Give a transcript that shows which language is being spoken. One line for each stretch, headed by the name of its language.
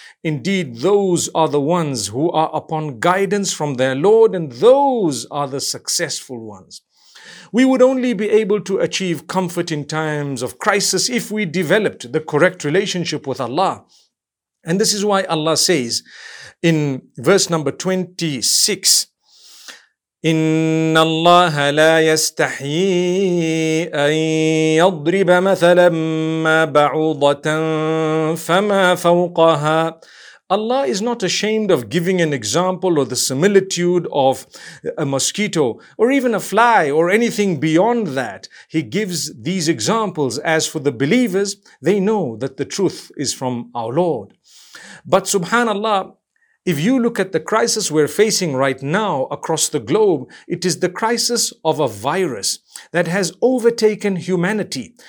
English: Indeed, those are the ones who are upon guidance from their Lord, and those are the successful ones. We would only be able to achieve comfort in times of crisis if we developed the correct relationship with Allah. And this is why Allah says in verse number 26,
Arabic: إن الله لا يستحي أن يضرب مثلا ما بعوضة فما فوقها.
English: Allah is not ashamed of giving an example or the similitude of a mosquito or even a fly or anything beyond that. He gives these examples. As for the believers, they know that the truth is from our Lord. But subhanAllah, if you look at the crisis we're facing right now across the globe, it is the crisis of a virus that has overtaken humanity.